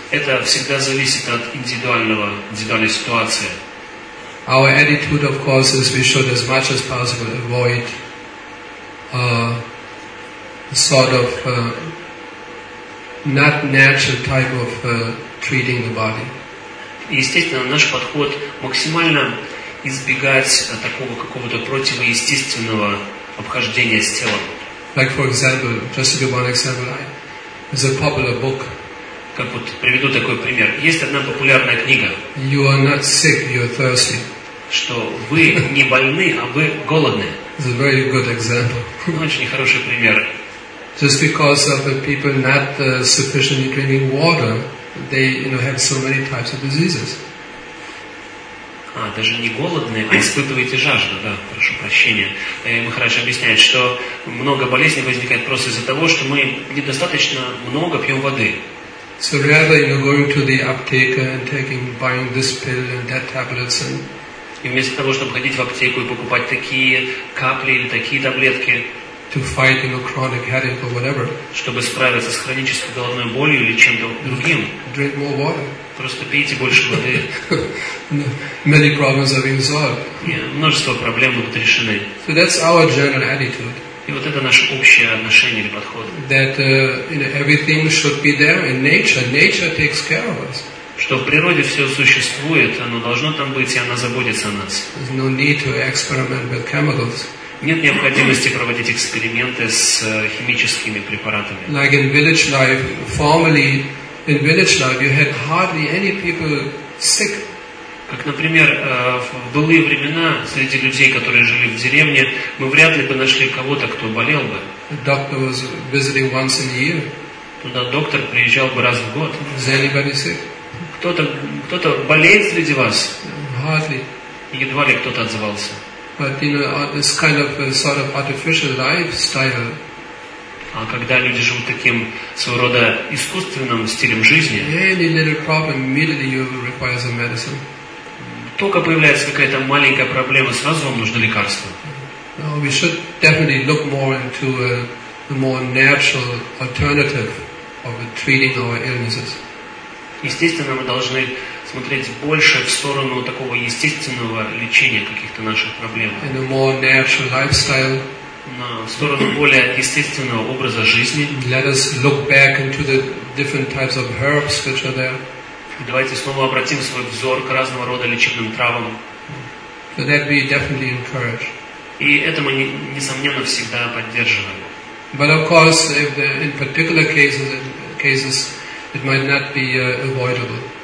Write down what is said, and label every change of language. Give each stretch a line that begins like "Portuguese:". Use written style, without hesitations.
Russian: Это всегда зависит от индивидуального, индивидуальной ситуации.
English: Our attitude, of course, is we should as much as possible avoid sort of not natural type of treating the body.
Russian: Естественно, наш подход максимально избегать такого какого-то противоестественного обхождение с телом.
English: Like for example, just to give one example, it's a popular book.
Russian: Как вот приведу такой пример. Есть одна популярная книга.
English: You are not sick, you are thirsty.
Russian: Что вы не больны, а вы голодны.
English: It's a very good example.
Russian: Очень хороший пример.
English: Just because of the people not sufficiently drinking water, they have so many types of diseases.
Russian: А, даже не голодны, а испытываете жажду, да, прошу прощения. Махарадж объясняет, что много болезней возникает просто из-за того, что мы недостаточно много пьем воды.
English: So rather you're going to the aptheker and buying this pill and that tablets and...
Russian: И вместо того, чтобы ходить в аптеку и покупать такие капли или такие таблетки,
English: to fight a chronic headache or whatever,
Russian: чтобы справиться с хронической головной болью или чем-то другим,
English: drink more water.
Russian: Просто пейте больше воды.
English: Many problems are being solved.
Russian: Yeah, множество проблем будут решены.
English: So that's our general attitude.
Russian: И вот это наше общее отношение или подход.
English: That everything should be there in nature. Nature takes care of us.
Russian: Что в природе все существует, оно должно там быть, и она заботится о нас.
English: There's no need to experiment with chemicals.
Russian: Нет необходимости проводить эксперименты с химическими препаратами.
English: Like in village life, formerly. In village life, you had hardly any people sick.
Russian: Как, например, в былые времена среди людей, которые жили в деревне, мы вряд ли бы нашли кого-то, кто болел бы.
English: The doctor was visiting once a year.
Russian: Туда доктор приезжал бы раз в год.
English: Is anybody sick?
Russian: Кто-то болеет среди вас?
English: Hardly.
Russian: Едва ли кто-то отзывался.
English: But you know, this kind of sort of artificial lifestyle.
Russian: А когда люди живут таким своего рода искусственным стилем жизни,
English: any little problem, immediately you require some medicine.
Russian: Только появляется какая-то маленькая проблема, сразу вам нужно лекарство.
English: No, we should definitely look more into a more natural alternative of treating our illnesses.
Russian: Естественно, мы должны смотреть больше в сторону такого естественного лечения каких-то наших проблем.
English: In a more natural lifestyle.
Russian: на сторону более естественного образа жизни.
English: Let us look back into the different types of herbs which are there.
Russian: И давайте снова обратим свой взор к разного рода лечебным травам.
English: So that we definitely encourage.
Russian: И это мы несомненно всегда поддерживаем.
English: But of course, if the, in particular cases, it might not be avoidable.